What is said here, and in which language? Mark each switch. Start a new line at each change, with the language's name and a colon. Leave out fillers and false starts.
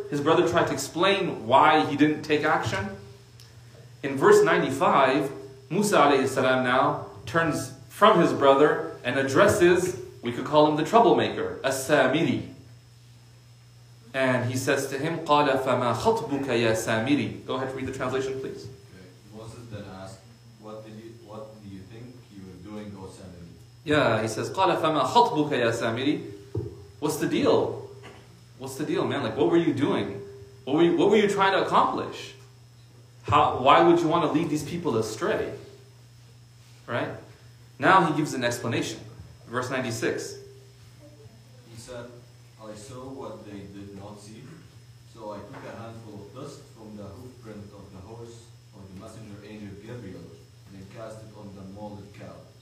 English: His brother tried to explain why he didn't take action. In verse 95, Musa alayhi salam now turns from his brother and addresses, we could call him the troublemaker, As-Samiri. And he says to him,
Arabic: قَالَ فَمَا خَطْبُكَ يَا سَامِرِي.
English: Go ahead, read the translation, please. Okay. Moses then asked, what do you think you were doing, O Samiri? Yeah, he says,
Arabic: قَالَ فَمَا خَطْبُكَ يَا سَامِرِي.
English: What's the deal? What's the deal, man? Like, what were you doing? What were you trying to accomplish? Why would you want to lead these people astray? Right? Now he gives an explanation. Verse 96. He said, I saw what they did not see, so I took a handful of dust from the hoofprint of the horse of the messenger angel Gabriel, and then cast it on the molded calf.